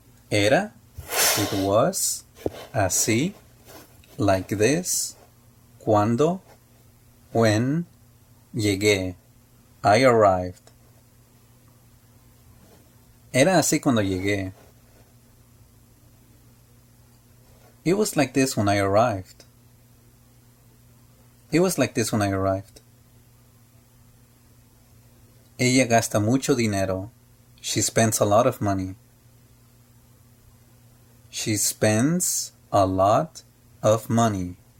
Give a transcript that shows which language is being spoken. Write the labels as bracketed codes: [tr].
[es] Era, [en] it was, [es] así, [en] like this, [es] cuando, [en] when, [es] llegué, [en] I arrived. [es] Era así cuando llegué. [en] It was like this when I arrived. It was like this when I arrived. [es] Ella gasta mucho dinero. [en] She spends a lot of money. She spends a lot of money.